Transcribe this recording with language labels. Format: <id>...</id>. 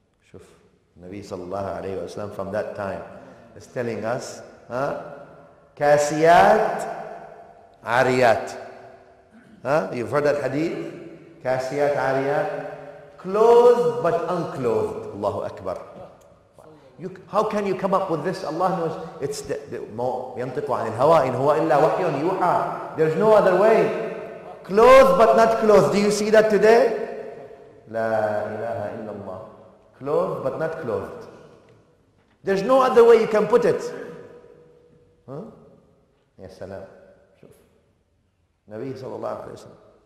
<ar>شوف, النبي صلى الله عليه وسلم</ar> <en>from that time is telling us, huh?</en> <ar>كاسيات عاريات. Huh?</ar> <en>You've heard that hadith?</en> <ar>كاسيات عاريات.</ar> <en>Clothed but unclothed.</en> <ar>Allahu Akbar.</ar> <en>You, how can you come up with this? Allah knows. It's</en> <ar>ينطق عن الهواء إن هو إلا وحي يوحى.</ar> <en>There's no other way. Clothed but not clothed. Do you see that today?</en> <ar>لا إله إلا الله.</ar> <en>Clothed but not clothed. There's no other way you can put it.</en> <ar>يا سلام. شوف نبي صلى الله عليه وسلم.</ar>